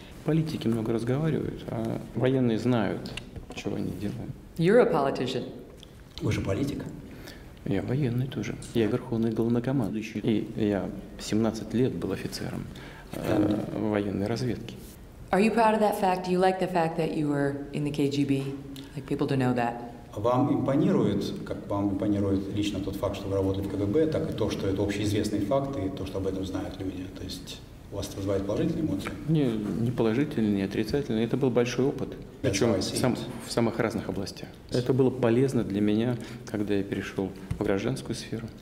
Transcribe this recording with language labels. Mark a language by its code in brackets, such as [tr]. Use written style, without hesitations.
[ru] Политики много разговаривают, а военные знают, чего они делают. [en] You're a politician. [ru] Вы же политик. Я военный тоже. Я верховный главнокомандующий. И я 17 лет был офицером военной разведки. [en] Are you proud of that fact? Do you like the fact that you were in the KGB? Like people to know that? [ru] Вам импонирует, как вам импонирует лично тот факт, что вы работали в КГБ, так и то, что это общеизвестный факт, и то, что об этом знают люди? То есть у вас это вызывает положительные эмоции? Не положительные, не отрицательные. Это был большой опыт, причем в самых разных областях. Это было полезно для меня, когда я перешел в гражданскую сферу.